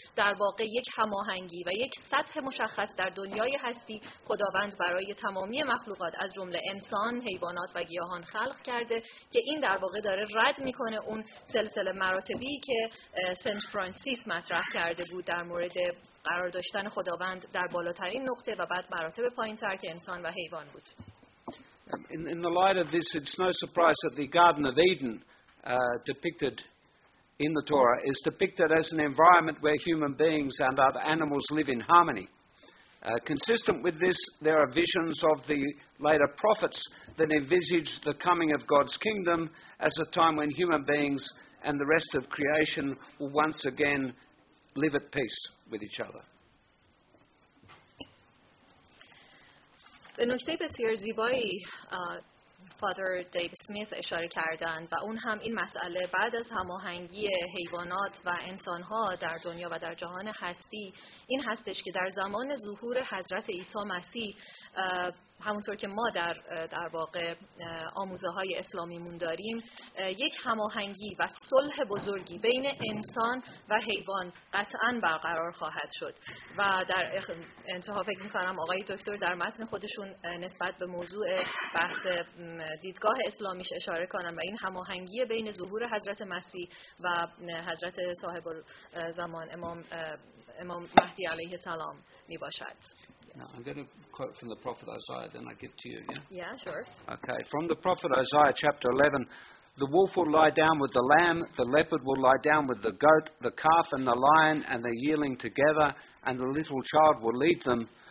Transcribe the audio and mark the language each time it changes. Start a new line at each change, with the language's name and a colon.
Persian: در واقع یک هماهنگی و یک سطح مشخص در دنیای هستی خداوند برای تمامی مخلوقات از جمله انسان، حیوانات و گیاهان خلق کرده که این در واقع داره رد میکنه اون سلسله مراتبی که سنت فرانسیس مطرح کرده بود در مورد قرار داشتن خداوند در بالاترین نقطه و بعد مراتب پایین تر که انسان و حیوان بود.
English: In the light of this, it's no surprise that the Garden of Eden depicted in the Torah is depicted as an environment where human beings and other animals live in harmony. Consistent with this, there are visions of the later prophets that envisage the coming of God's kingdom as a time when human beings and the rest of creation will once again live at peace with each other.
Persian: به نکته بسیار زیبایی فادر دیو سمیت اشاره کردند و اون هم این مسئله بعد از هماهنگی حیوانات و انسانها در دنیا و در جهان هستی این هستش که در زمان ظهور حضرت عیسی مسیح همونطور که ما در واقع آموزه های اسلامیمون داریم یک هماهنگی و صلح بزرگی بین انسان و حیوان قطعا برقرار خواهد شد و در انتها فکر میکنم آقای دکتر در متن خودشون نسبت به موضوع بحث دیدگاه اسلامیش اشاره کنن و این هماهنگی بین ظهور حضرت مسیح و حضرت صاحب زمان امام مهدی علیه السلام میباشد.
English: Now, I'm going to quote from the prophet Isaiah, then I give to you, yeah? Yeah, sure. Okay, from the prophet Isaiah, chapter 11, the wolf will lie down with the lamb, the leopard will lie down with the goat, the calf and the lion and the yearling together, and the little child will lead them.